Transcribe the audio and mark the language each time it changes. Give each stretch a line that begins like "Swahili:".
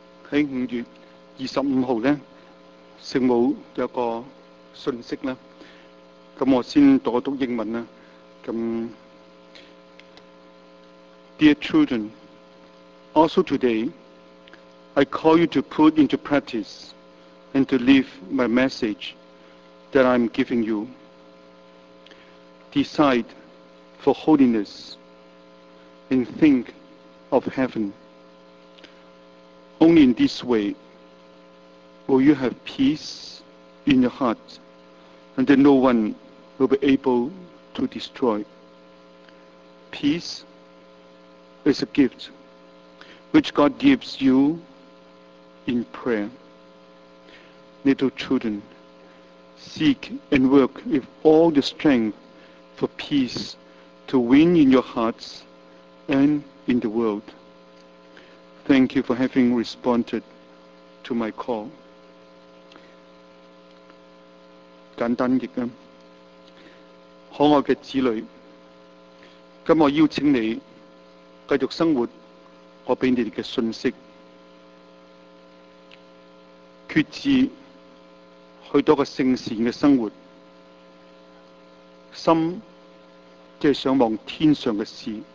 Cantonese: 喺5月25日咧，圣母有个信息啦。咁我先读一读英文啦。
English: 咁 ，Dear children, also today, I call you to put into practice and to live my message that I'm giving you. Decide for holiness and think of heaven. Only in this way will you have peace in your heart and that no one will be able to destroy. Peace is a gift which God gives you in prayer. Little children, seek and work with all the strength for peace to win in your hearts and in the world. Thank you for having responded to my call.
Cantonese: 简单译啊，可爱嘅子女，今我邀请你继续生活我俾你哋嘅信息，决志去到个圣善嘅生活，心即系想望天上嘅事。